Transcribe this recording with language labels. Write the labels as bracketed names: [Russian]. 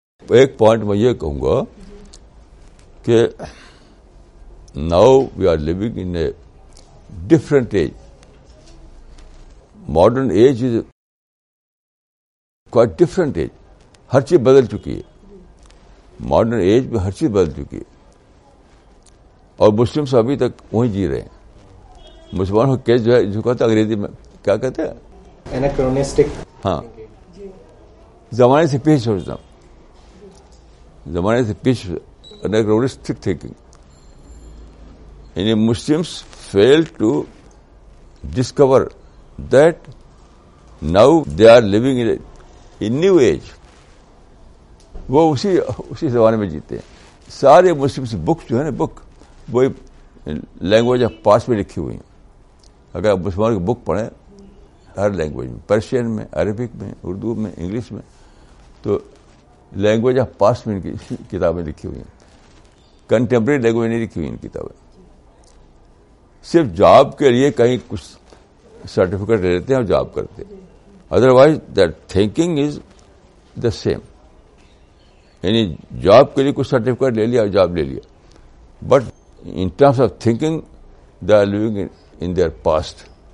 [Urdu] Ek point main ye kahunga ke [English] now we are living in a different age. Modern age is quite different age. [Urdu] Har cheez badal chuki hai. Modern age میں ہر چیز بدل چکی ہے اور Muslims ابھی تک وہیں جی رہے ہیں. مسلمانوں کا کیس جو ہے جو کہتے ہیں انگریزی میں کیا کہتے ہیں [English] anachronistic, [Urdu] ہاں زمانے سے پیچھے سوچتا ہوں, زمانے سے پیچھے اینکرونسٹک تھنکنگ. [English] یعنی Muslims fail to discover that now they are living in new age. [Urdu] وہ اسی زمانے میں جیتے ہیں. سارے مسلم سے بک جو ہے نا بک وہ لینگویج آف پاس میں لکھی ہوئی ہیں. اگر آپ مسلمانوں کی بک پڑھیں ہر لینگویج میں, پرشین میں, عربک میں, اردو میں, انگلش میں, تو لینگویج آف پاس میں ان کی کتابیں لکھی ہوئی ہیں. کنٹمپری لینگویج نہیں لکھی ہوئی ان کتابیں. صرف جاب کے لیے کہیں کچھ سرٹیفکیٹ لے لیتے ہیں اور جاب کرتے ہیں. [English] Otherwise that thinking is the same. [Urdu] یعنی جاب کے لیے کچھ سرٹیفکیٹ لے لیا اور جاب لے لیا, [English] But in terms of thinking they are living in their past.